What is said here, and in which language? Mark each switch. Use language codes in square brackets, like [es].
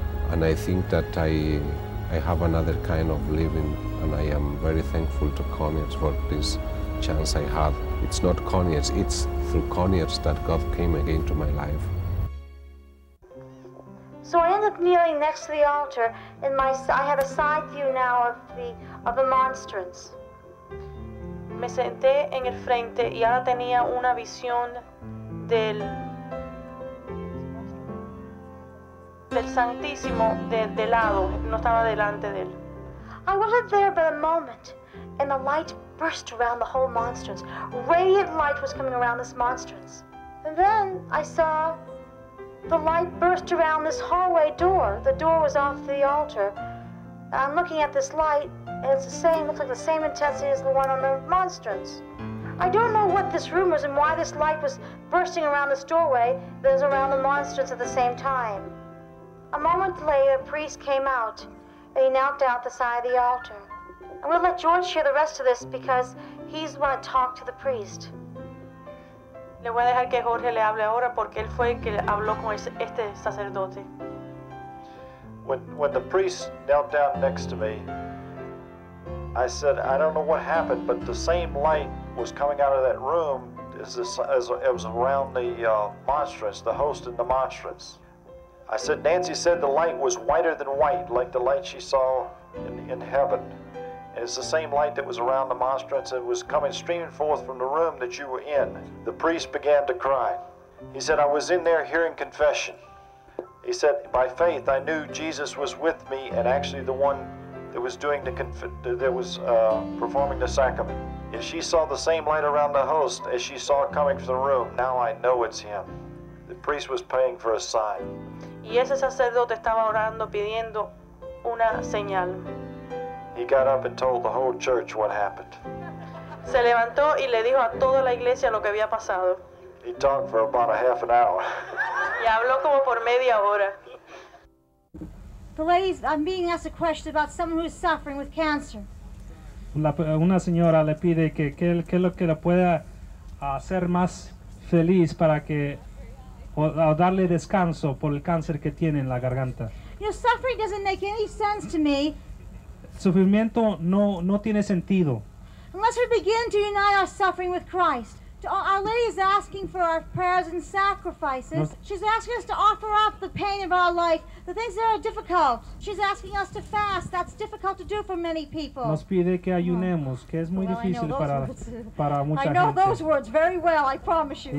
[en] And I think that I have another kind of living, and I am very thankful to Conyers for this chance I had. It's not Conyers, it's through Conyers that God came again to my life. So I end up kneeling next to the altar, and I have a side view now of the monstrance. [es] Me senté en el frente y ahora tenía una visión del Santísimo de lado, no estaba delante de él. [en] I wasn't there but a moment, and the light burst around the whole monstrance. Radiant light was coming around this monstrance. And then I saw the light burst around this hallway door. The door was off the altar. I'm looking at this light, and it's the same, looks like the same intensity as the one on the monstrance. I don't know what this room was and why this light was bursting around this doorway that was around the monstrance at the same time. A moment later, a priest came out, and he knelt down at the side of the altar. I'm going to let George share the rest of this because he's going to talk to the priest. [es] Le voy a dejar que Jorge le hable ahora porque él fue el que habló con este sacerdote. [en] When the priest knelt down next to me, I said, I don't know what happened, but the same light was coming out of that room as it was around the monstrance, the host and the monstrance. I said, Nancy said the light was whiter than white, like the light she saw in heaven. And it's the same light that was around the monstrance and was coming streaming forth from the room that you were in. The priest began to cry. He said, I was in there hearing confession. He said, by faith, I knew Jesus was with me and actually the one that was doing performing the sacrament. And she saw the same light around the host as she saw coming from the room. Now I know it's him. The priest was praying for a sign. [es] Y ese sacerdote estaba orando pidiendo una señal. [en] He got up and told the whole church what happened. [es] Se levantó y le dijo a toda la iglesia lo que había pasado. [en] He talked for about a half an hour. [es] Y habló como por media hora. [en] The ladies, I'm being asked a question about someone who is suffering with cancer. [es] Una señora le pide que es lo que la pueda hacer más feliz para que o darle descanso por el cáncer que tiene en la garganta. [en] You know, suffering doesn't make any sense to me. [es] Sufrimiento no tiene sentido. [en] Unless we begin to unite our suffering with Christ. Our lady is asking for our prayers and sacrifices. She's asking us to offer up the pain of our life, the things that are difficult. She's asking us to fast. That's difficult to do for many people. [es] Nos pide que ayunemos, que es muy difícil para mucha gente. [en] I know those words very well, I promise you.